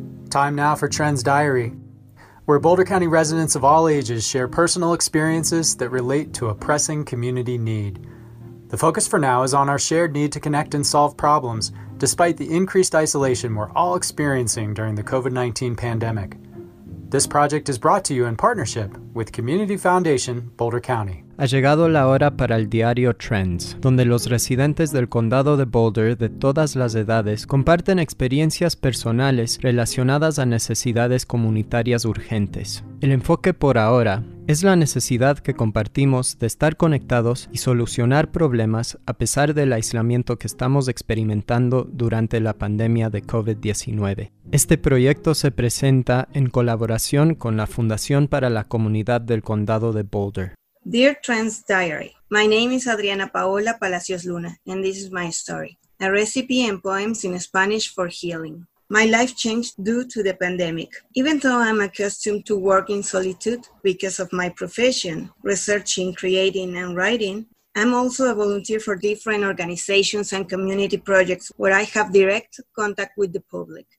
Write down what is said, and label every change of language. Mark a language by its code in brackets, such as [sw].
[en] Time now for Trends Diary, where Boulder County residents of all ages share personal experiences that relate to a pressing community need. The focus for now is on our shared need to connect and solve problems, despite the increased isolation we're all experiencing during the COVID-19 pandemic. This project is brought to you in partnership with Community Foundation Boulder County. [es] Ha llegado la hora para el diario Trends, donde los residentes del condado de Boulder de todas las edades comparten experiencias personales relacionadas a necesidades comunitarias urgentes. El enfoque por ahora es la necesidad que compartimos de estar conectados y solucionar problemas a pesar del aislamiento que estamos experimentando durante la pandemia de COVID-19. Este proyecto se presenta en colaboración con la Fundación para la Comunidad del Condado de Boulder. [en] Dear Trends Diary, my name is Adriana Paola Palacios Luna, and this is my story, a recipe and poems in Spanish for healing. My life changed due to the pandemic. Even though I'm accustomed to work in solitude because of my profession, researching, creating, and writing, I'm also a volunteer for different organizations and community projects where I have direct contact with the public.